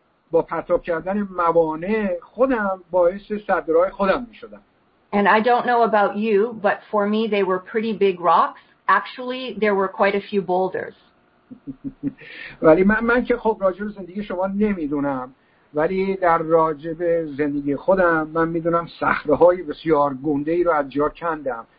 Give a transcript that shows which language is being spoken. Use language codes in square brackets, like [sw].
[fa] با پرتاب کردن موانع خودم باعث سد راه خودم میشدم. [en] And I don't know about you, but for me they were pretty big rocks. Actually, there were quite a few boulders. [fa] ولی من که خب راجب زندگی شما نمیدونم. ولی در راجب زندگی خودم من میدونم صخره‌های بسیار گنده‌ای رو از جا کندم.